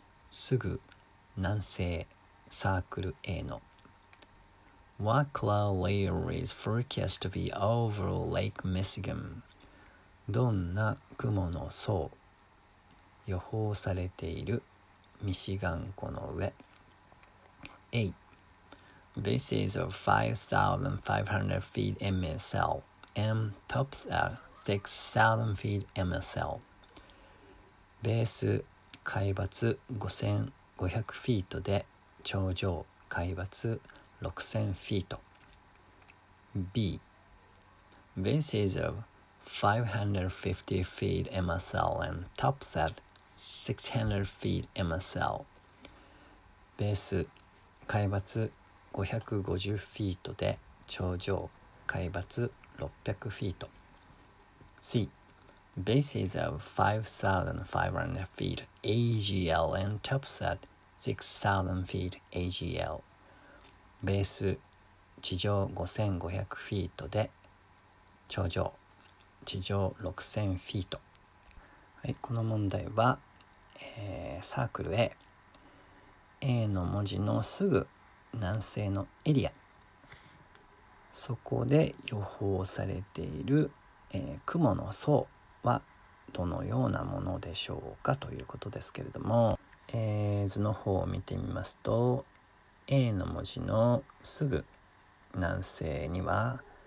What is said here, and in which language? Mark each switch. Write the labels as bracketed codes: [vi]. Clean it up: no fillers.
[ja] すぐ南西サークル A の。 [en] What cloud layer is forecast to be over Lake Michigan? [ja] どんな雲の層予報されているミシガン湖の上。 [en] A. Bases of 5,500 feet MSL and tops at 6,000 feet MSL. [ja] ベース海抜5500フィートで頂上海抜6000フィート。 [en] B. Bases of 550 feet MSL and tops at 600 feet MSL. [ja] ベース海抜550フィートで頂上海抜600フィート。 [en] C. Bases of 5,500 feet AGL and tops at 6,000 feet AGL. [ja] ベース地上5500フィートで頂上地上6000フィート。はい、この問題は、サークル A、 A の文字のすぐ南西のエリア、そこで予報されている、雲の層はどのようなものでしょうかということですけれども、図の方を見てみますと、A の文字のすぐ南西には、